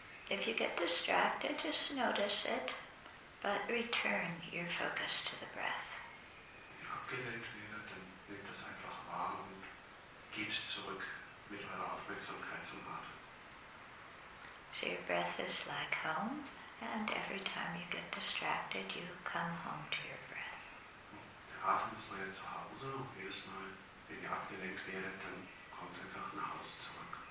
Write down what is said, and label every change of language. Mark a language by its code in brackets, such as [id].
[en] If you get distracted, just notice it, but return your focus to the breath. [de] Wenn ihr abgelenkt werdet, dann nehmt das einfach wahr und geht zurück mit eurer Aufmerksamkeit zum Atem. [en] So your breath is like home, and every time you get distracted, you come home to your breath. [de] Der Atem ist euer Zuhause, und jedes Mal, wenn ihr abgelenkt werdet, dann kommt einfach nach Hause zurück.